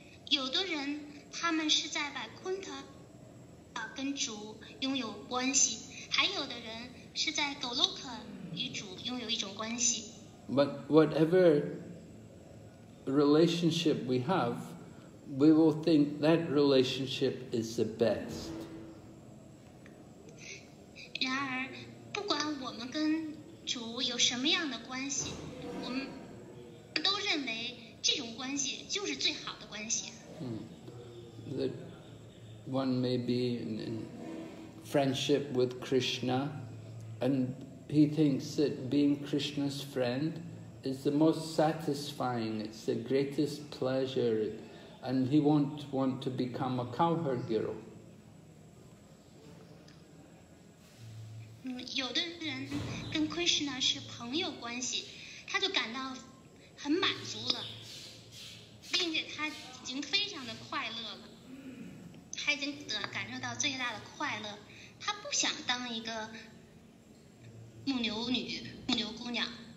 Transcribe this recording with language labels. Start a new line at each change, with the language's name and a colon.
Chinese: 有的人他们是在 Vaikuntha 跟主拥有关系，还有的人是在 Goloka 与主拥有一种关系。
English: But whatever relationship we have,we will think that relationship is the best.
Chinese: 然而不管我们跟主有什么样的关系，我们都认为这种关系就是最好的关系。
English: That one may be in friendship with Krishna, and he thinks that being Krishna's friend is the most satisfying, it's the greatest pleasure,and he won't want to become a cowherd girl.
Chinese: 有的人跟 Krishna 是朋友关系，他就感到很满足了，并且他已经非常的快乐了，他已经感受到最大的快乐，他不想当一个牧牛女、牧牛姑娘。